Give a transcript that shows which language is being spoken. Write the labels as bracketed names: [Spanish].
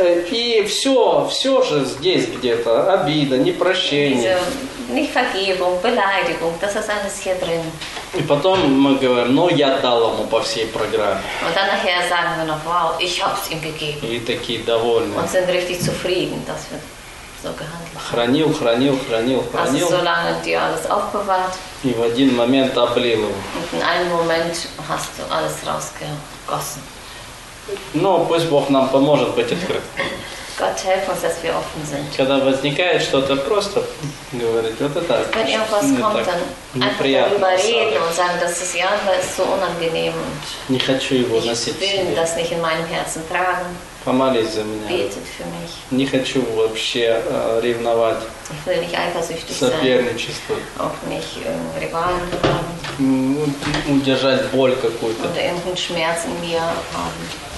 [Russian] И все же здесь где-то обида, непрощение. [German] Nichtvergebung, Beleidigung, das ist alles hier drin. [Russian] И потом мы говорим, но я дал ему по всей программе. [German] Und dann nachher sagen wir noch, wow, ich hab's ihm gegeben. [Russian] И такие довольны. [German] Und sind richtig zufrieden, dass wir so gehandelt haben. [Russian] Хранил. [German] Hast du so lange dir alles aufbewahrt. [Russian] И в один момент облил его. [German] Und in einem Moment hast du alles rausgegossen. [Russian] Но пусть Бог нам поможет быть открытым. [English] God help us, [German] dass wir offen sind. [Russian] Когда возникает что-то просто, говорить, вот это так. [German] Wenn irgendwas kommt, dann einfach darüber reden und sagen, das ist ja, das ist so unangenehm. [Russian] Не хочу его носить. [German] Ich will das nicht in meinem Herzen tragen. [Russian] Помолись за меня. [German] Betet für mich. [Russian] Не хочу вообще ревновать. [German] Ich will nicht eifersüchtig sein. [Russian] Соперничество. [German] Auch nicht Rivalen haben. [Russian] Удержать боль какую-то. [German] Oder irgendeinen Schmerz in mir haben.